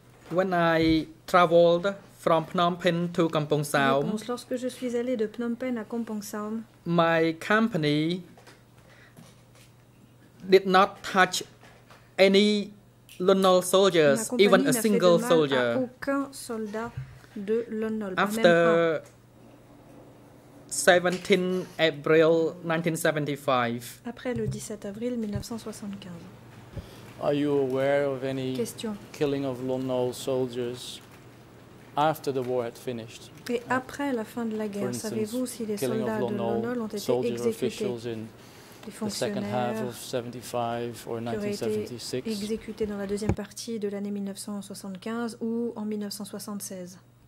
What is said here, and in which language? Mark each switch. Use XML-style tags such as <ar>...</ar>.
<en>When I traveled from Phnom Penh to Kampong Saom,</en> <fr>lorsque je suis allé de Phnom Penh à Kampong Saom,</fr> <en>my company did not touch any Lon Nol soldiers, even a single soldier.</en> <fr>Aucun soldat de Lon Nol,</fr> <en>after 17 April 1975.</en> <fr>Après le 17 avril 1975.</fr> <en>Are you aware of any killing of Lon Nol soldiers after the war had finished?</en> <fr>Et après la fin de la guerre, savez-vous si les soldats de Lon Nol ont été soldier exécutés?</fr> <en>Officials in the second half of 75 or 1976.</en> <fr>Qui ont été exécutés dans la deuxième partie de l'année 1975 ou en 1976?</fr>